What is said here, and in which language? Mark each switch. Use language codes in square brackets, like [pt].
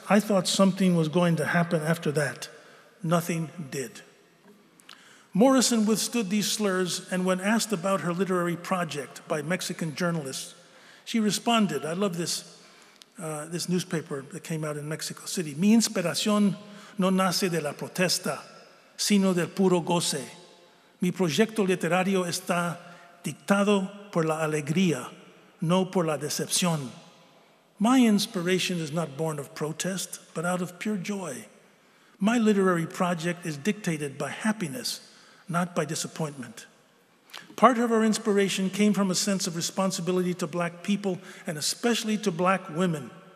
[en] I thought something was going to happen after that. Nothing did. Morrison withstood these slurs, and when asked about her literary project by Mexican journalists, she responded, I love this, this newspaper that came out in Mexico City. [es] Mi inspiración no nace de la protesta, sino del puro goce. Mi proyecto literario está dictado por la alegría, no por la decepción. [en] My inspiration is not born of protest, but out of pure joy. My literary project is dictated by happiness, not by disappointment. Part of her inspiration came from a sense of responsibility to Black people, and especially to Black women.